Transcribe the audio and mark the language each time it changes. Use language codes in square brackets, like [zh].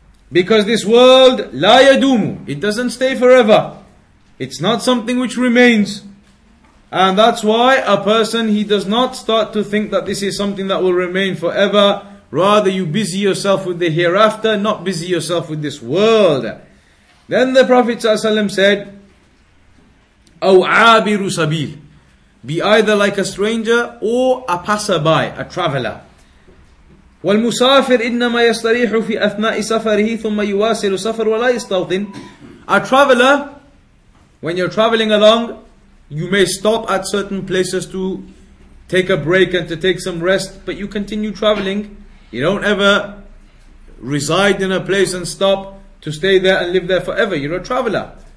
[en] Because this world, [ar] لا يدوم, [en] it doesn't stay forever. It's not something which remains. And that's why a person, he does not start to think that this is something that will remain forever. Rather, you busy yourself with the hereafter, not busy yourself with this world. Then the Prophet ﷺ said, [ar] أو عابر سبيل. [en] Be either like a stranger or a passerby, a traveler. [ar] والمسافر إنما يستريح في أثناء سفره ثم يواصل سفر ولا يستوطن. [en] A traveler, when you're traveling along, you may stop at certain places to take a break and to take some rest, but you continue traveling. You don't ever reside in a place and stop to stay there and live there forever. You're a traveler.